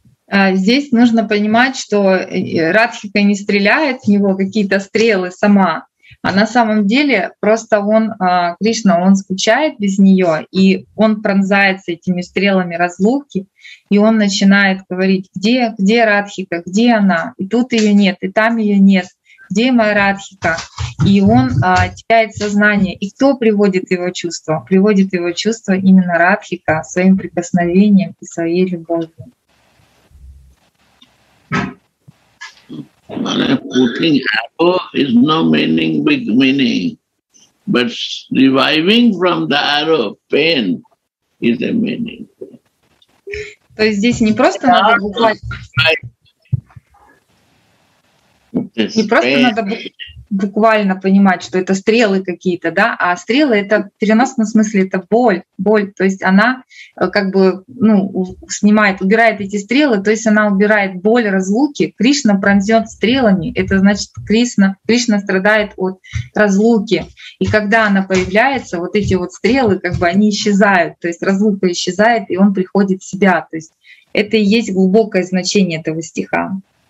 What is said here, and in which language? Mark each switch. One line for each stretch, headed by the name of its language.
Russian: Здесь нужно понимать, что Радхика не стреляет в него какие-то стрелы сама, а на самом деле просто он, Кришна, он скучает без нее, и он пронзается этими стрелами разлуки, и он начинает говорить, где Радхика, где она? И тут ее нет, и там ее нет. Где моя Радхика? И он теряет сознание. И кто приводит его чувство? Приводит его чувство именно Радхика своим прикосновением и своей любовью.
English: When I'm putting arrow is no meaning, big meaning. But reviving from the arrow pain is a meaning.
Russian: То есть здесь не просто надо буквально... Не просто надо буквально понимать, что это стрелы какие-то, да, а стрелы — это в переносном смысле, это боль, то есть она как бы, ну, снимает, убирает эти стрелы, то есть она убирает боль разлуки, Кришна пронзёт стрелами, это значит, Кришна страдает от разлуки, и когда она появляется, вот эти вот стрелы, как бы они исчезают, то есть разлука исчезает, и он приходит в себя, то есть это и есть глубокое значение этого стиха.